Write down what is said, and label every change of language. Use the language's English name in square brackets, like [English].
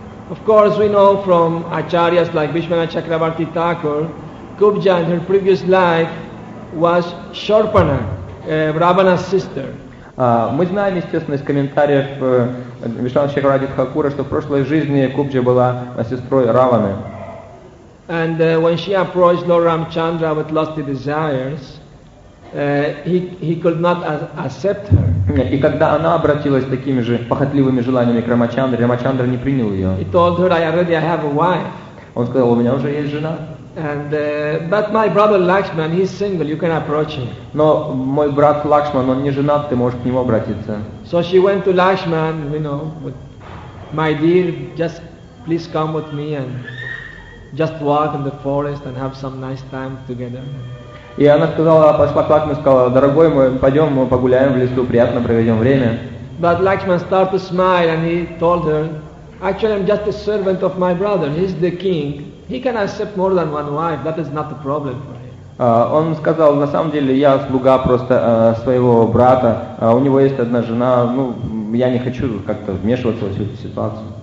[English] Of course, we know from acharyas like Bhishmana Chakravarti Thakur, Kubja in her previous life was Sharpana, Ravana's sister. [Russian] Мы знаем, естественно, из комментариев Бишан Чакравати Хакура, что в прошлой жизни Кубджа была сестрой Раваны. [English] And when she approached Lord Ramchandra with lusty desires, he could not accept her. [Russian] И когда она обратилась с такими же похотливыми желаниями к Рамачандре, Рамачандра не принял ее. [English] He told her, "I already have a wife." [Russian] Он сказал, у меня уже есть жена. [English] And but my brother Lakshman, he's single. You can approach him. [Russian] Но мой брат Лакшман, он не женат, ты можешь к нему обратиться. [English] So she went to Lakshman, you know, with, my dear, just please come with me and just walk in the forest and have some nice time together. [Russian] И она сказала, пошла к Лакшману, сказала, дорогой мой, пойдем, мы погуляем в лесу, приятно проведем время. [English] But Lakshman started to smile and he told her, actually, I'm just a servant of my brother. He's the king. He can accept more than one wife. That is not the problem for him. [Russian] Он сказал, на самом деле, я слуга просто своего брата. У него есть одна жена. Ну, я не хочу как-то вмешиваться во всю эту ситуацию.